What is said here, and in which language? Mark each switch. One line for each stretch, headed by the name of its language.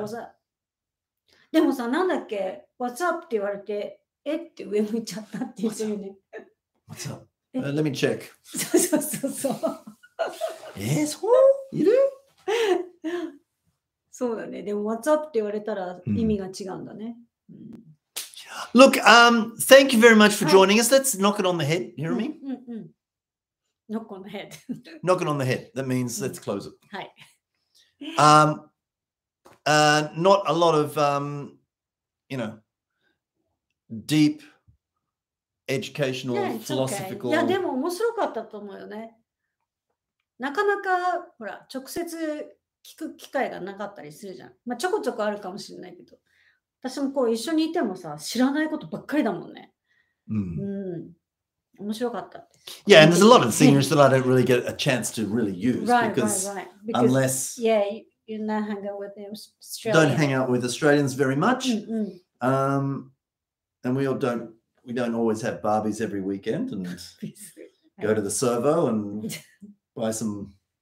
English: What's up?
Japanese: でもさ、なんだっけ What's up? って言われて、えって上向いちゃったって言ってるね。
English: What's up? What's up? Let me check.
Japanese: そうそうそうそう。え、そう？いる？そうだね。でも
English: What's up?
Japanese: って言われたら意味が違うんだね。
English: Look, thank you very much for joining us. Let's knock it on the head. You hear me? Knock on the head. Knock it on the head. That means let's close it. Hi. Not a lot of, you know, deep educational, yeah, philosophical.
Japanese: Okay. いやでも面白かったと思うよね。なかなかほら直接聞く機会がなかったりするじゃん。まあちょこちょこあるかもしれないけど。私もこう一緒にいてもさ、知らないことばっかりだもんね。うん。面白かったです。
English: Yeah, and there's a lot of seniors that I don't really get a chance to really use. Right, because unless... Yeah, you're not hanging out with Australians. Don't hang out with Australians very much. And we all don't... We don't always have Barbies every weekend and go to the servo and buy some...